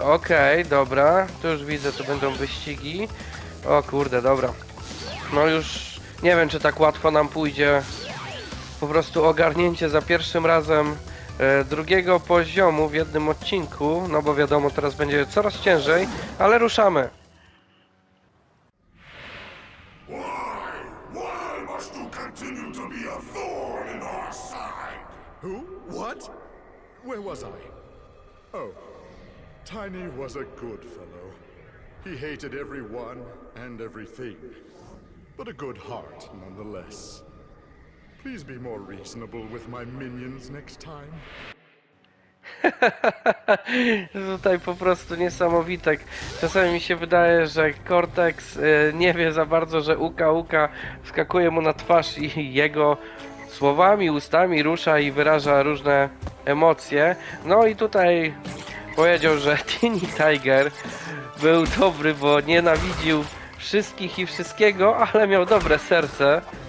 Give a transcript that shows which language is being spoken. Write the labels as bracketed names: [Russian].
[Polish] Okej, okay, dobra, tu już widzę, tu będą wyścigi. O kurde, dobra. No już nie wiem, czy tak łatwo nam pójdzie po prostu ogarnięcie za pierwszym razem drugiego poziomu w jednym odcinku, no bo wiadomo, teraz będzie coraz ciężej, ale ruszamy. [English] Why must you continue to be a thorn in our side? Who? What? Where was I? Oh, Tiny was a good fellow. He hated everyone and everything, but a good heart nonetheless. Please be more reasonable with my minions next time. [Polish] Tutaj po prostu niesamowite. Czasami mi się wydaje, że Cortex nie wie za bardzo, że Uka Uka skakuje mu na twarz i jego słowami, ustami rusza i wyraża różne emocje. No i tutaj powiedział, że Tiny Tiger był dobry, bo nienawidził wszystkich i wszystkiego, ale miał dobre serce.